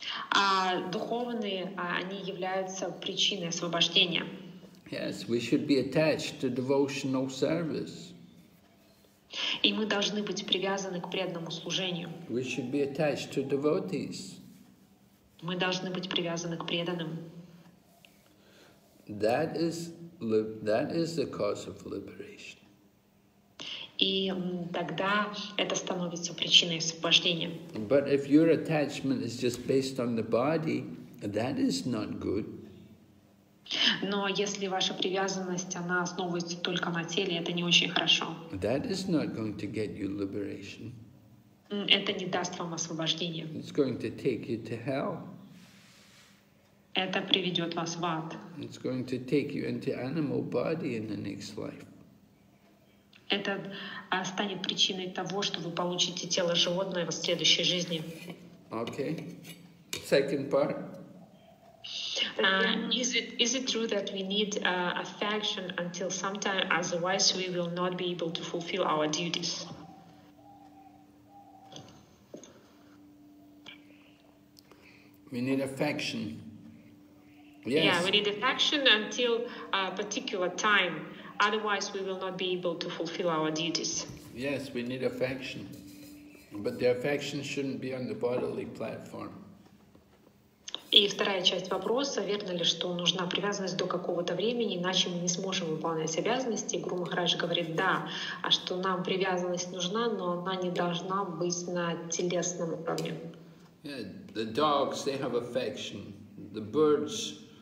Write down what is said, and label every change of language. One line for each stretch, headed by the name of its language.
Russian: А духовные, они являются причиной освобождения.
English: Yes, we should be attached to devotional service.
Russian: И мы должны быть привязаны к преданному служению.
English: We should be attached to devotees.
Russian: Мы должны быть привязаны к преданным.
English: That is the cause of liberation.
Russian: И тогда это становится причиной освобождения.
English: But if your attachment is just based on the body, that is not good.
Russian: Но если ваша привязанность, она основывается только на теле, это не очень хорошо.
English: That is not going to get you liberation.
Russian: Это не даст вам освобождение.
English: It's going to take you to hell.
Russian: Это приведет вас в ад.
English: It's going to take you into animal body in the next life.
Russian: Это станет причиной того, что вы получите тело животное в следующей жизни.
English: Okay. Second part. Is it true that we need affection until sometime, otherwise we will not be able to fulfill our duties? We need affection. Yes. Yeah, we need affection until a particular time. Otherwise, we will not be able to fulfill our duties. Yes, we need affection. But the affection shouldn't be on the bodily platform.
Russian: И вторая часть вопроса, верно ли, что нужна привязанность до какого-то времени, иначе мы не сможем выполнять обязанности. Гуру Махарадж говорит, да, а что нам привязанность нужна, но она не должна быть на телесном уровне.
English: Yeah, the dogs, they have affection. The birds...